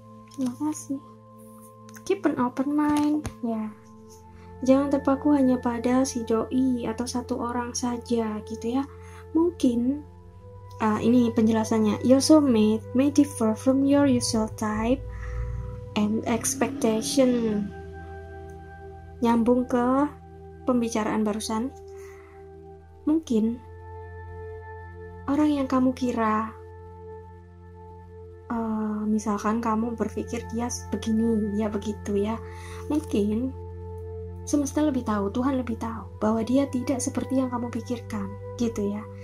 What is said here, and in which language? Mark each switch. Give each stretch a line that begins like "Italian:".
Indonesian: Terima kasih.
English: Keep an open mind. Ya. Yeah.
Indonesian: Jangan terpaku hanya pada si doi atau satu orang saja gitu ya. Mungkin ini penjelasannya.
English: Your soulmate may differ from your usual type and expectation.
Indonesian: Nyambung ke pembicaraan barusan. Mungkin orang yang kamu kira, misalkan kamu berpikir dia begini, dia begitu ya. Mungkin semesta lebih tahu, Tuhan lebih tahu bahwa dia tidak seperti yang kamu pikirkan, gitu ya.